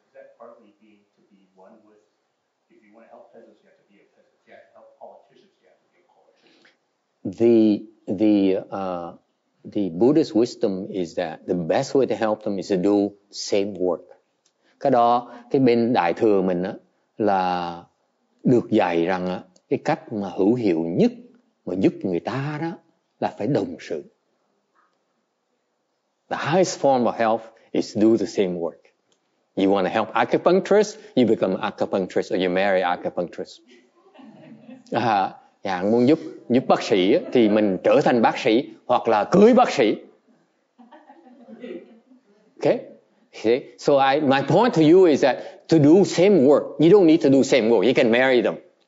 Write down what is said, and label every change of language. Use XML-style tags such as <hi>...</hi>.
<en>Is that partly being to be one with? If you want to help peasants, you have to be a peasant. Yeah. Help politicians, you have to be a politician. The Buddhist wisdom is that the best way to help them is to do same work.</en> <vi>Cái đó, cái bên đại thừa mình á. Là được dạy rằng cái cách mà hữu hiệu nhất mà giúp người ta đó là phải đồng sự.</vi> <en>The highest form of help is to do the same work. You want to help acupuncturist, you become acupuncturist or you marry acupuncturist.</en> <vi>Muốn giúp bác sĩ thì mình trở thành bác sĩ hoặc là cưới bác sĩ.</vi> <en>Okay? See? So my point to you is that to do same work, you don't need to do same work. You can marry them.</en>